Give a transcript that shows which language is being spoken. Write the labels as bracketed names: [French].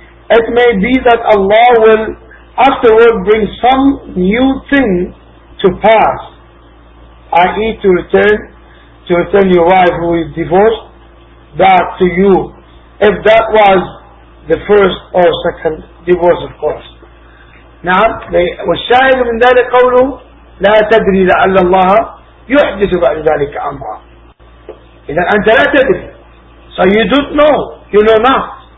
[English] It may be that Allah will afterward bring some new thing to pass, i.e. to return your wife who is divorced back to you, if that was the first or second divorce, of course. [Arabic] نعم, والشاهد من ذلك قوله لا تدري لعل الله يحدث بعد ذلك أمرا. إذا أنت لا تدري, [English] so you don't know, you know not.